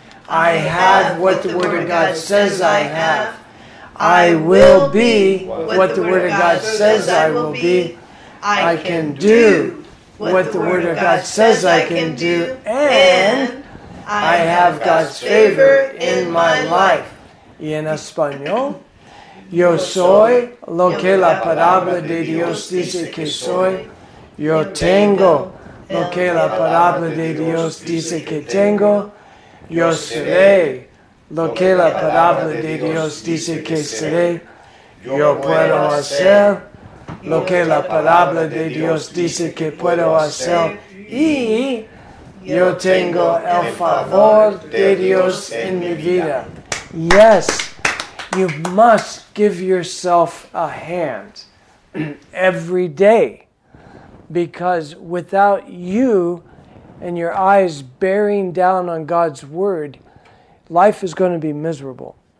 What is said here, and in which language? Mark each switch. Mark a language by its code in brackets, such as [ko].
[en] I have what the Word of God says I have. I will be what the Word of God says I will be. I can do what the Word of God says I can do. And I have God's favor in my life. [es] Y en español, yo soy lo que la palabra de Dios dice que soy. Yo tengo lo que la palabra de Dios dice que tengo. Yo seré lo que la palabra de Dios dice que seré. Yo puedo hacer lo que la palabra de Dios dice que puedo hacer. Y yo tengo el favor de Dios en mi vida. [en] Yes, you must give yourself a hand every day, because without you and your eyes bearing down on God's word, life is going to be miserable.